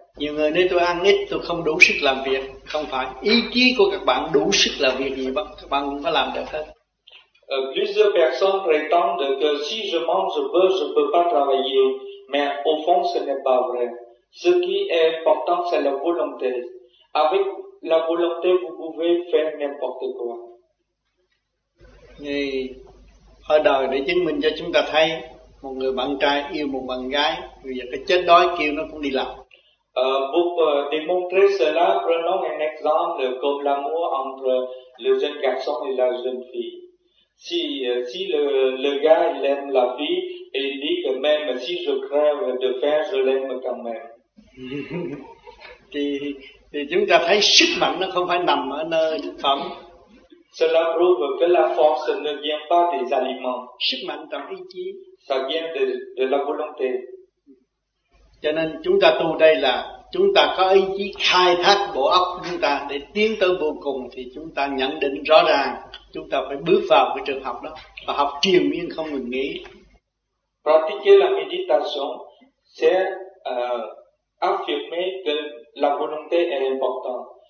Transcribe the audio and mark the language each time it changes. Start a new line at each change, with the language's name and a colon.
Vietnamese: Nhiều người nói tôi ăn ít, tôi không đủ sức làm việc. Không phải. Ý chí của các bạn đủ sức làm việc gì, các bạn cũng có làm được hết.
French: Plusieurs personnes prétendent que si je mange peu, je peux pas travailler. Mais au fond, ce n'est pas vrai. Ce qui est important, c'est la volonté. Avec la volonté, vous pouvez faire n'importe quoi.
Vietnamese: Ngày ở đời để chứng minh cho chúng ta thấy, một người bạn trai yêu một bạn gái, bây giờ cái chết đói kêu nó cũng đi làm.
French: Pour démontrer cela, prenons un exemple comme l'amour entre le jeune garçon et la jeune fille. Si le gars il aime la fille, et il dit que même si je crève de faim, je l'aime quand même.
Vietnamese: thì chúng ta thấy sức mạnh nó không phải nằm ở nơi thực phẩm.
French: Cela prouve que la force ne vient pas des aliments.
Vietnamese: Sức mạnh dans ý chí.
French: Ça vient de la volonté.
Vietnamese: Cho nên chúng ta tu đây là chúng ta có ý chí khai thác bộ óc chúng ta để tiến tới vô cùng, thì chúng ta nhận định rõ ràng chúng ta phải bước vào cái trường học đó và học triền miên không ngừng nghỉ.
French: Pratiquer la méditation, c'est affirmer que la volonté est importante.